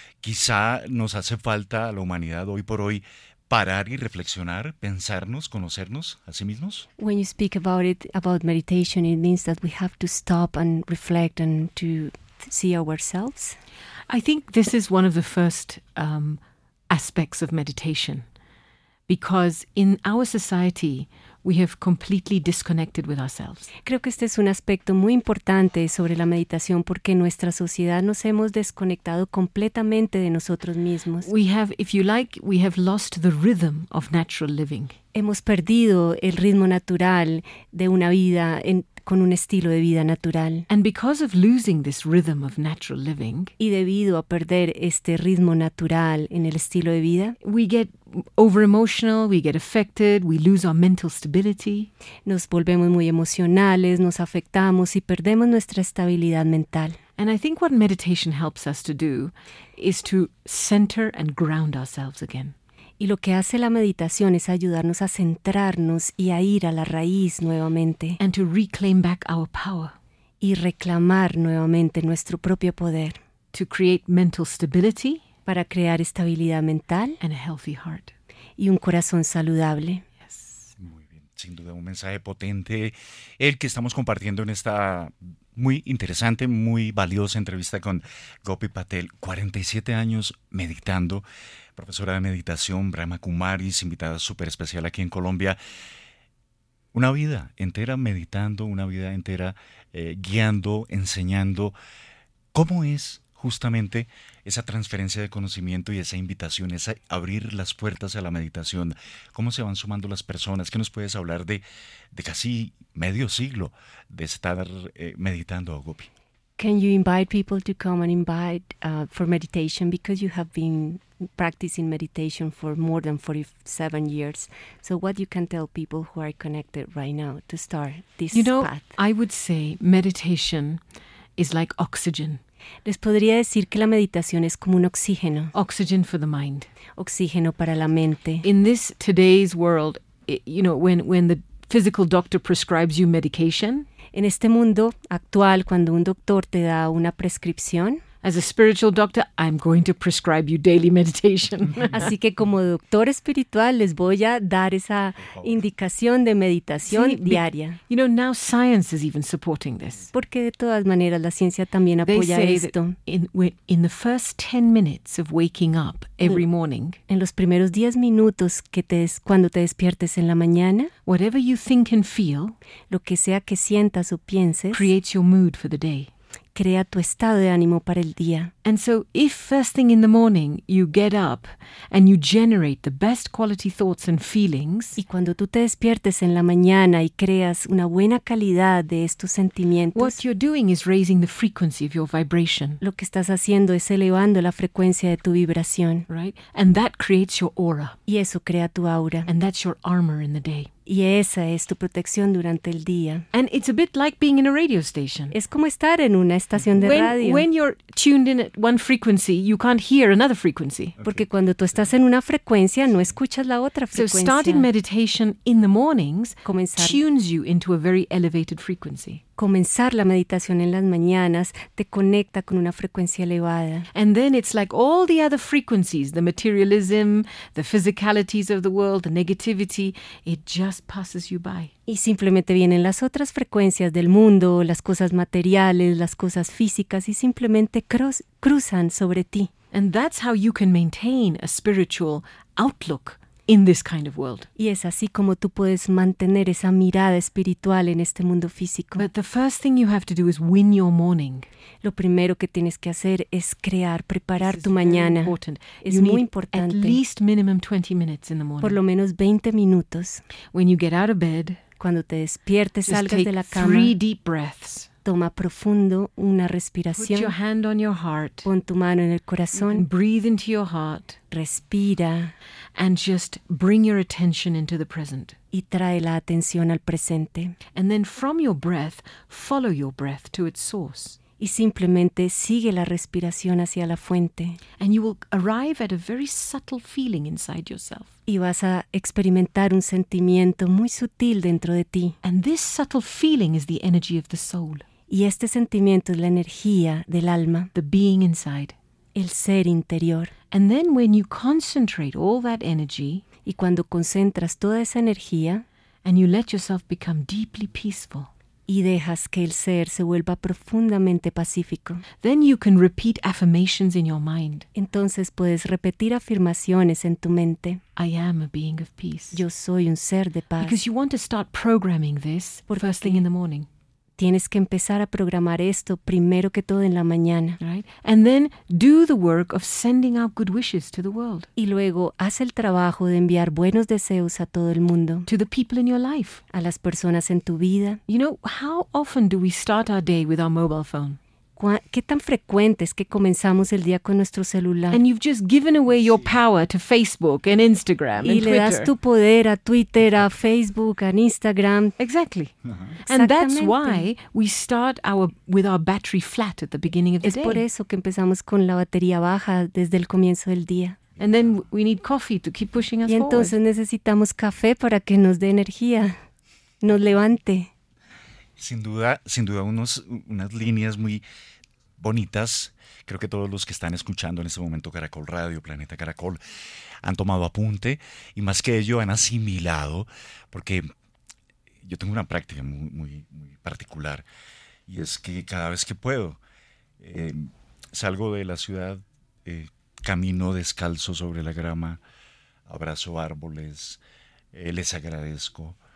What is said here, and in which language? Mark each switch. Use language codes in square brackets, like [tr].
[es] Quizá nos hace falta a la humanidad hoy por hoy parar y reflexionar, pensarnos, conocernos a sí mismos. [en] When you speak about it, about meditation, it means that we have to stop and reflect and to see ourselves. I think this is one of the first aspects of meditation, because in our society we have completely disconnected with ourselves. [es] Creo que este es un aspecto muy importante sobre la meditación, porque en nuestra sociedad nos hemos desconectado completamente de nosotros mismos. [en] We have, if you like, we have lost the rhythm of natural living. [es] Hemos perdido el ritmo natural de una vida con un estilo de vida natural. [en] And because of losing this rhythm of natural living, [es] y debido a perder este ritmo natural en el estilo de vida, [en] we get over emotional, we get affected, we lose our mental stability. [es] Nos volvemos muy emocionales, nos afectamos y perdemos nuestra estabilidad mental. [en] And I think what meditation helps us to do is to center and ground ourselves again. [es] Y lo que hace la meditación es ayudarnos a centrarnos y a ir a la raíz nuevamente. [en] And to reclaim back our power. [es] Y reclamar nuevamente nuestro propio poder. [en] To create mental stability. [es] Para crear estabilidad mental. [en] And a healthy heart. [es] Y un corazón saludable. [en] Yes. [es] Muy bien. Sin duda un mensaje potente. El que estamos compartiendo en esta muy interesante, muy valiosa entrevista con Gopi Patel. 47 años meditando. Profesora de meditación, Brahma Kumaris, invitada súper especial aquí en Colombia. Una vida entera meditando, una vida entera guiando, enseñando. ¿Cómo es justamente esa transferencia de conocimiento y esa invitación, esa abrir las puertas a la meditación? ¿Cómo se van sumando las personas? ¿Qué nos puedes hablar de casi medio siglo de estar meditando, Gopi? [en] Can you invite people to come and invite for meditation, because you have been practicing meditation for more than 47 years? So what you can tell people who are connected right now to start this path? You know, I would say meditation is like oxygen. [es] Les podría decir que la meditación es como un oxígeno. [en] Oxygen for the mind. [es] Oxígeno para la mente. [en] In this today's world, you know, when the physical doctor prescribes you medication. [es] En este mundo actual, cuando un doctor te da una prescripción, [en] As a spiritual doctor, I'm going to prescribe you daily meditation. [es] Así que como doctor espiritual les voy a dar esa indicación de meditación diaria. [en] You know, now science is even supporting this. [es] Porque de todas maneras la ciencia también apoya esto. [en] They say in the first 10 minutes of waking up every morning. [es] En los primeros 10 minutos cuando te despiertes en la mañana, [en] whatever you think and feel, [es] lo que sea que sientas o pienses, [en] creates your mood for the day. [es] Crea tu estado de ánimo para el día. [en] And so if first thing in the morning you get up and you generate the best quality thoughts and feelings, [es] y cuando tú te despiertes en la mañana y creas una buena calidad de estos sentimientos, [en] what you're doing is raising the frequency of your vibration. [es] Lo que estás haciendo es elevando la frecuencia de tu vibración, [en] right? And that creates your aura. [es] Y eso crea tu aura. [en] And that's your armor in the day. [es] Y esa es tu protección durante el día. [en] And it's a bit like being in a radio station. [es] Es como estar en una estación de radio. [en] When you're tuned in at one frequency, you can't hear another frequency. [es] Porque cuando tú estás en una frecuencia, no escuchas la otra frecuencia. [en] So starting meditation in the mornings tunes you into a very elevated frequency. [es] Comenzar la meditación en las mañanas te conecta con una frecuencia elevada. [en] And then it's like all the other frequencies, the materialism, the physicalities of the world, the negativity, it just passes you by. [es] Y simplemente vienen las otras frecuencias del mundo, las cosas materiales, las cosas físicas, y simplemente cruzan sobre ti. [en] And that's how you can maintain a spiritual outlook in this kind of world. [es] Y es así como tú puedes mantener esa mirada espiritual en este mundo físico. [en] But the first thing you have to do is win your morning. [es] Lo primero que tienes que hacer es crear, preparar tu mañana. Es muy importante. [en] At least minimum 20 minutes in the morning. [es] Por lo menos 20 minutos. [en] When you get out of bed, [es] cuando te despiertes, salgas de la cama. [en] Three deep breaths. [es] Toma profundo una respiración. [en] Put your hand on your heart. [es] Pon tu mano en el corazón. [en] You can breathe into your heart. [es] Respira. [en] And just bring your attention into the present. [es] Y trae la atención al presente. [en] And then from your breath, follow your breath to its source. [es] Y simplemente sigue la respiración hacia la fuente. [en] And you will arrive at a very subtle feeling inside yourself. [es] Y vas a experimentar un sentimiento muy sutil dentro de ti. [en] And this subtle feeling is the energy of the soul. [es] Y este sentimiento es la energía del alma. [en] The being inside. [es] El ser interior. [en] And then when you concentrate all that energy, [es] y cuando concentras toda esa energía, [en] and you let yourself become deeply peaceful, [es] y dejas que el ser se vuelva profundamente pacífico, [en] then you can repeat affirmations in your mind. [es] Entonces puedes repetir afirmaciones en tu mente. [en] I am a being of peace. [es] Yo soy un ser de paz. [en] Because you want to start programming this first thing in the morning. [es] Tienes que empezar a programar esto primero que todo en la mañana. [en] Right? And then do the work of sending out good wishes to the world. [es] Y luego haz el trabajo de enviar buenos deseos a todo el mundo. [en] To the people in your life. [es] A las personas en tu vida. [en] You know, how often do we start our day with our mobile phone? [es] ¿Qué tan frecuente es que comenzamos el día con nuestro celular? [en] And you've just given away your power to Facebook and Instagram [es] y le das tu poder a Twitter, a Facebook, a Instagram. [en] Exactly. Uh-huh. And that's why we start with our battery flat at the beginning of the day. [es] Es por eso que empezamos con la batería baja desde el comienzo del día. [en] And then we need coffee to keep pushing us forward. [es] Y entonces necesitamos café para que nos dé energía, nos levante. Sin duda unas líneas muy bonitas. Creo que todos los que están escuchando en este momento Caracol Radio, Planeta Caracol, han tomado apunte y más que ello han asimilado, porque yo tengo una práctica muy, muy, muy particular y es que cada vez que puedo salgo de la ciudad, camino descalzo sobre la grama, abrazo árboles, les agradezco.